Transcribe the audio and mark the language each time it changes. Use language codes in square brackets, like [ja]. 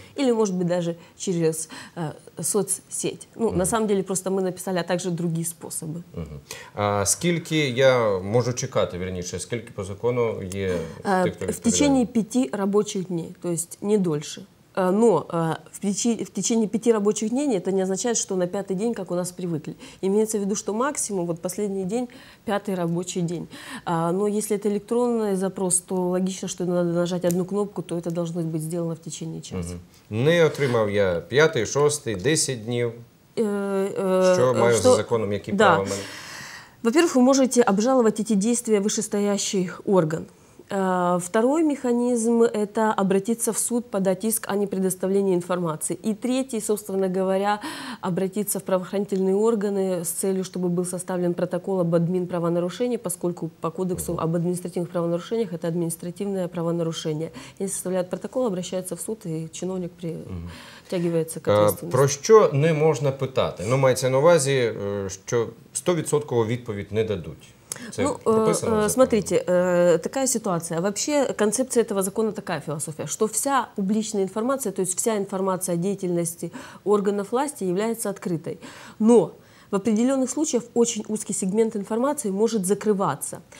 [ru] Или, может быть, даже через соцсеть. Ну, на самом деле, просто мы написали, а также другие способы. [uk] А скільки я можу чекати, верніше, скільки по закону є? [ru] В течение 5 рабочих дней, то есть не дольше. Но в течение 5 рабочих дней это не означает, что на 5-й день, как у нас привыкли. Имеется в виду, что максимум, вот последний день, 5-й рабочий день. Но если это электронный запрос, то логично, что надо нажать одну кнопку, то это должно быть сделано в течение часа. Угу. [uk] Не отримав я 5-й, 6-й, 10 дней. [ru] Что маю за законом, какие права у меня? Во-первых, вы можете обжаловать эти действия вышестоящий орган. Второй механизм – это обратиться в суд, подать иск о непредоставлении информации. И третий, собственно говоря, обратиться в правоохранительные органы с целью, чтобы был составлен протокол об админправонарушении, поскольку по кодексу об административных правонарушениях это административное правонарушение. Если составляют протокол, обращаются в суд, и чиновник притягивается к ответственности. [uk] Про що не можна питати? Ну, мається на увазі, що 100% відповідь не дадуть. [ru] Ну, смотрите, такая ситуация. Вообще концепция этого закона такая философия, что вся публичная информация, то есть вся информация о деятельности органов власти является открытой. Но в определенных случаях очень узкий сегмент информации может закрываться.